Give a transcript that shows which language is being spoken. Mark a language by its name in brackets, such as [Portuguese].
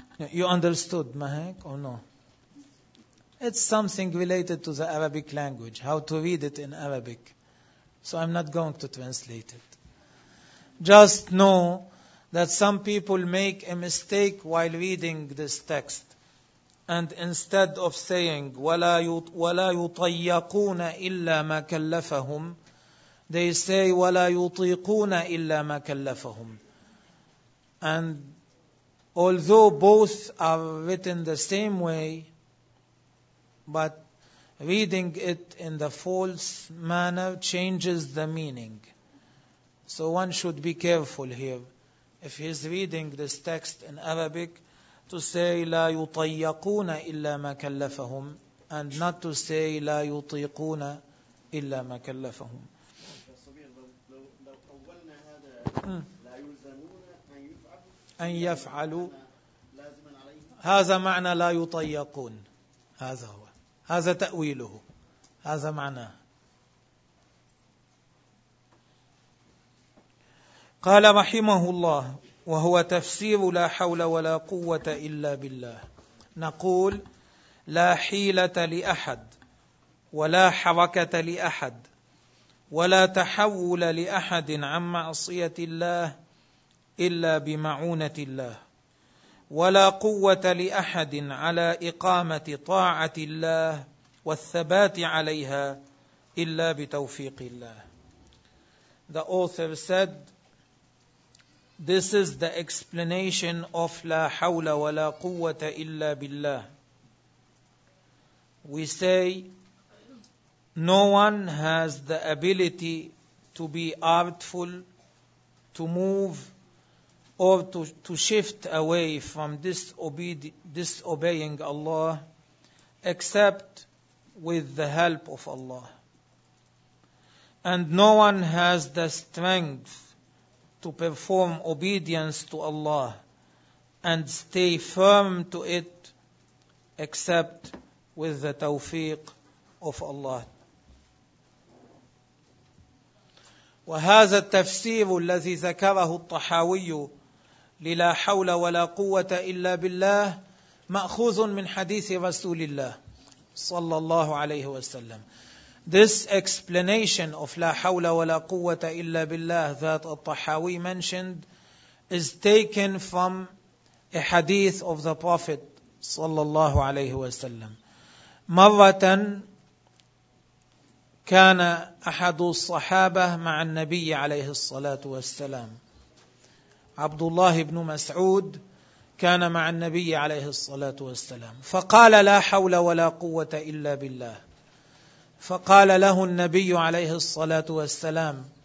[English] You understood, Mahek, or no? It's something related to the Arabic language, how to read it in Arabic. So I'm not going to translate it. Just know that some people make a mistake while reading this text. And instead of saying, [Arabic] وَلَا يُطَيَّقُونَ إِلَّا مَا كَلَّفَهُمْ, [English] they say, [Arabic] وَلَا يُطِيقُونَ إِلَّا مَا كَلَّفَهُمْ. [English] And although both are written the same way, but reading it in the false manner changes the meaning. So one should be careful here. If he is reading this text in Arabic, to say [Arabic] لا يطيقون إلا ما كلفهم, [English] and not to say [Arabic] لا يطيقون إلا ما كلفهم. أن يفعلوا, هذا معنى لا يطيقون. هذا هو. هذا تأويله. هذا معناه. قال رحمه الله وهو تفسير لا حول ولا قوة إلا بالله، نقول لا حيلة لأحد ولا حركة لأحد ولا تحول لأحد عن معصية الله إلا بمعونة الله، ولا قوة لأحد على إقامة طاعة الله والثبات عليها إلا بتوفيق الله. [English] The author said, this is the explanation of [Arabic] لا حول ولا قوة إلا بالله. [English] We say, no one has the ability to be artful, to move or to shift away from disobeying Allah except with the help of Allah. And no one has the strength to perform obedience to Allah and stay firm to it except with the tawfiq of Allah. [Arabic] وهذا التفسير الذي ذكره الطحاوي للا حول ولا قوة إلا بالله مأخوذ من حديث رسول الله صلى الله عليه وسلم. [English] This explanation of [Arabic] لا حول ولا قوة إلا بالله [English] that الطحاوي mentioned is taken from a hadith of the Prophet [Arabic] صلى الله عليه وسلم. مرة كان أحد الصحابة مع النبي عليه الصلاة والسلام، عبد الله بن مسعود كان مع النبي عليه الصلاة والسلام، فقال لا حول ولا قوة إلا بالله، فقال له النبي عليه الصلاة والسلام: